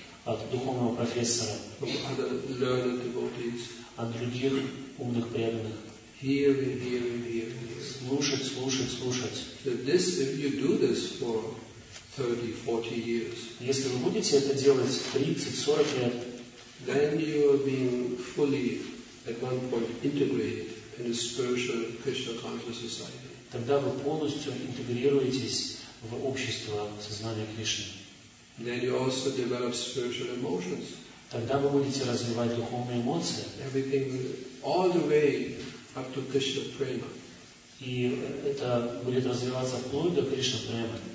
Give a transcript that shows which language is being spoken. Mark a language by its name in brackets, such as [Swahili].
[Russian] От духовного профессора. [English] From other learned devotees. [Russian] От других умных преданных. [English] Hearing. [Russian] Слушать. [English] So this, if you do this for 30-40 years. [Russian] Если вы будете это делать 30-40 лет, [English] then you are being fully at one point integrated in the spiritual Krishna conscious society. [Russian] Тогда вы полностью интегрируетесь в общество сознания Кришны. [English] Then you also develop spiritual emotions. [Russian] Тогда вы будете развивать духовные эмоции. [English] Everything, all the way up to Krishna prema. [Russian] И это будет развиваться вплоть до Кришна према.